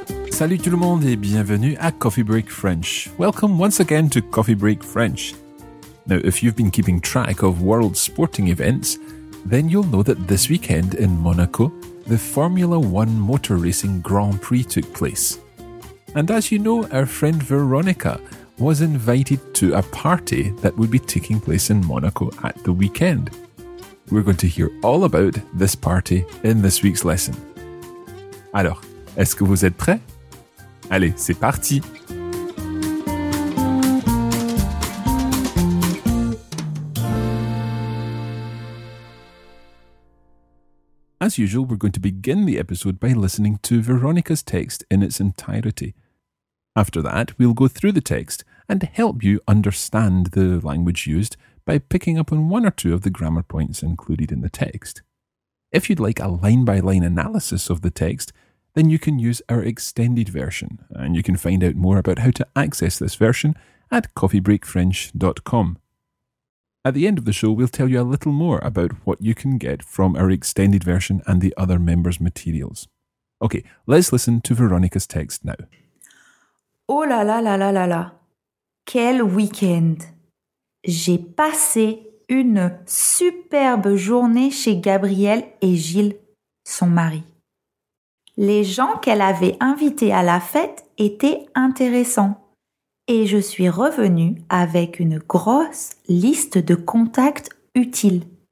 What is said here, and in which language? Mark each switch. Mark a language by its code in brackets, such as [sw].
[fr] Salut tout le monde et bienvenue à Coffee Break French. [en] Welcome once again to Coffee Break French. Now, if you've been keeping track of world sporting events, then you'll know that this weekend in Monaco, the Formula One Motor Racing Grand Prix took place. And as you know, our friend Veronica was invited to a party that would be taking place in Monaco at the weekend. We're going to hear all about this party in this week's lesson. [fr] Alors, est-ce que vous êtes prêts? Allez, c'est parti! [en] As usual, we're going to begin the episode by listening to Veronica's text in its entirety. After that, we'll go through the text and help you understand the language used by picking up on one or two of the grammar points included in the text. If you'd like a line-by-line analysis of the text, then you can use our extended version, and you can find out more about how to access this version at coffeebreakfrench.com. At the end of the show, we'll tell you a little more about what you can get from our extended version and the other members' materials. Okay, let's listen to Veronica's text now. [fr] Oh là là là là là là! Quel week-end! J'ai passé une superbe journée chez Gabrielle et Gilles, son mari. Les gens qu'elle avait invités à la fête étaient intéressants. Et je suis revenue avec une grosse liste de contacts utiles.